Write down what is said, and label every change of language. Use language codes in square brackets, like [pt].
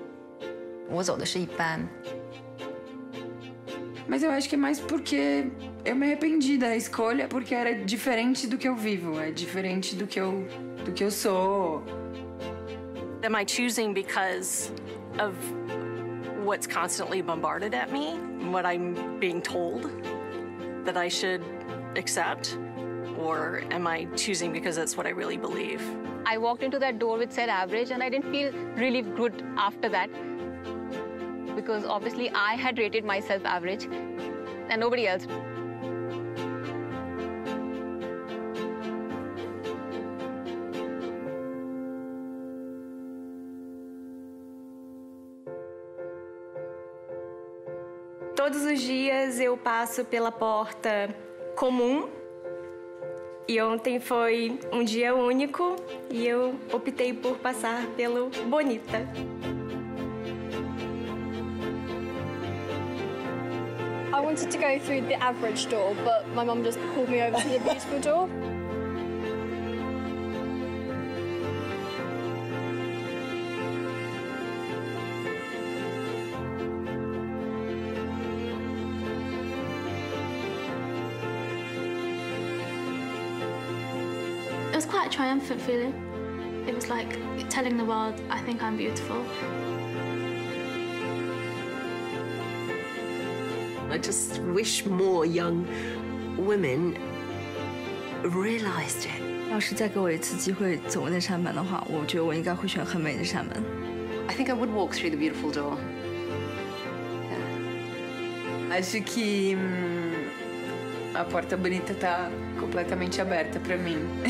[zh] 漂亮对我的概念来说就是，像明星那种遥不可及的那种。我走的是一般。 [pt] Mas eu acho que é mais porque eu me arrependi da escolha porque era diferente do que eu vivo, é diferente do que eu sou. [en] Am I choosing because of what's constantly bombarded at me, what I'm being told that I should accept, or am I choosing because that's what I really believe? I walked into that door with said average, and I didn't feel really good after that, because obviously I had rated myself average, and nobody else. [pt] Todos os dias eu passo pela porta comum e ontem foi um dia único e eu optei por passar pelo bonita. [en] I wanted to go through the average door, but my mom just pulled me over to the beautiful door. Triumphant feeling. It was like telling the world, I think I'm beautiful. I just wish more young women realized it. [zh] 要是再给我一次机会走那扇门的话，我觉得我应该会选很美的扇门。 [en] I think I would walk through the beautiful door. Yeah. [pt] Acho que a porta bonita está completamente aberta para mim.